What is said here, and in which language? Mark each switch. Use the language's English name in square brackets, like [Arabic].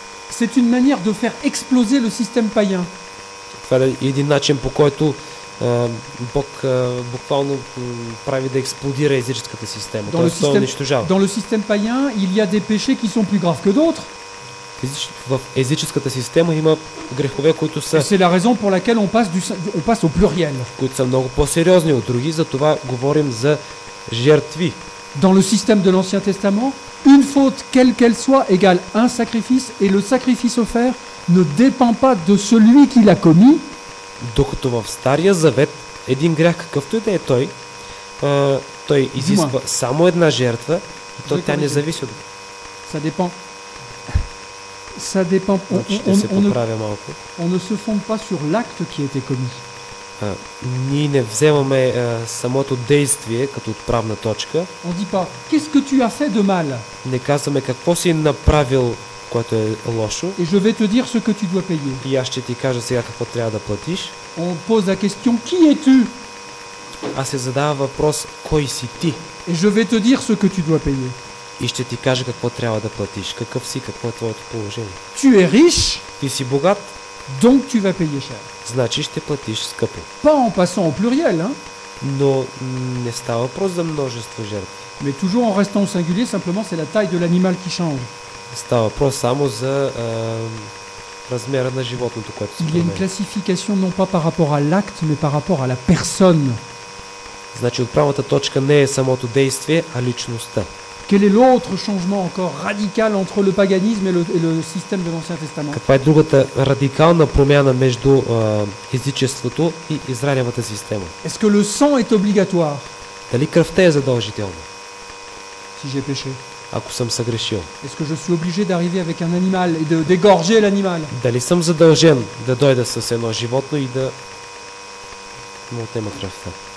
[French] C'est une manière de faire exploser le système païen. [Bulgarian] Това е един начин, по който Бог буквално прави да експлодира езическата система. [French] Dans [Bulgarian] тоест, той унищожава. [French] Dans le système païen, il y a des péchés qui sont plus graves que d'autres. [Bulgarian] В езическата система има грехове, които са. [French] C'est la raison pour laquelle on passe au pluriel. [Bulgarian] Които са много по-сериозни от други, затова говорим за жертви. [French] Dans le système de l'Ancien Testament, une faute, quelle qu'elle soit, égale un sacrifice, et le sacrifice offert ne dépend pas de celui qui l'a commis. [Bulgarian] Докато в Стария Завет един грях, какъвто и да е той, той изисква само една жертва и то тя не зависи от... [French] Ça dépend. Ça dépend. [Bulgarian] Значи, [French] on ne se fonde pas sur l'acte qui a été commis. [Bulgarian] Ние не вземаме самото действие като отправна точка. [French] On dit pas, qu'est-ce que tu as fait de mal? [Bulgarian] Не казваме какво си направил, което е лошо. [French] Et je vais te dire ce que tu dois payer. [Bulgarian] И аз ще ти кажа сега какво трябва да платиш. [French] On pose la question, qui es-tu? [Bulgarian] Аз се задава въпрос, кой си ти? [French] Et je vais te dire ce que tu dois payer. [Bulgarian] И ще ти кажа какво трябва да платиш. Какъв си, какво е твоето положение? [French] Tu es riche. [Bulgarian] Ти си богат. [French] Donc tu vas payer cher. [Bulgarian] Значи ще платиш скъпо. [French] Pas en passant au pluriel, hein? [Bulgarian] Но не става въпрос за множество жертви. [French] Mais toujours en restant au singulier, simplement c'est la taille de l'animal qui change. [Bulgarian] Става въпрос само за размера на животното, което се променя. [French] Il y a une classification non pas par rapport à l'acte, mais par rapport à la personne. [Bulgarian] Значи отправната точка не е самото действие, а личността. [French] Quel est l'autre changement encore radical entre le paganisme et le système de l'Ancien Testament? [Bulgarian] Каква е другата радикална промяна между езичеството и израелевата система? [French] Est-ce que le sang est obligatoire? [Bulgarian] Дали кръвта е задължителна? [French] Si j'ai péché. [Bulgarian] Ако съм съгрешил. [French] Est-ce que je suis obligé d'arriver avec un animal et de dégorger l'animal? [Bulgarian] Дали съм задължен да дойда с едно животно и да му отнема кръвта?